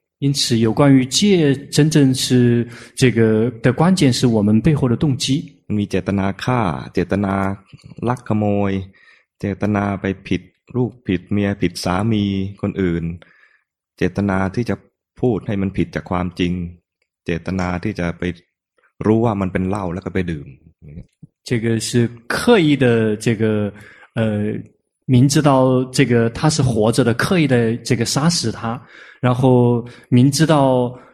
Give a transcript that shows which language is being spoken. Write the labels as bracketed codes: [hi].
[zh] 因此有关于戒真正是这个的关键是我们背后的动机 [th] มีเจตนาฆ่าเจตนาลักขโมยเจตนาไปผิดลูกผิดเมียผิดสามีคนอื่นเจตนาที่จะพูดให้มันผิดจากความจริงเจตนาที่จะไปรู้ว่ามันเป็นเหล้าแล้วก็ไปดื่ม [zh] 这个是刻意的这个明知道这个他是活着的刻意的这个杀死他然后明知道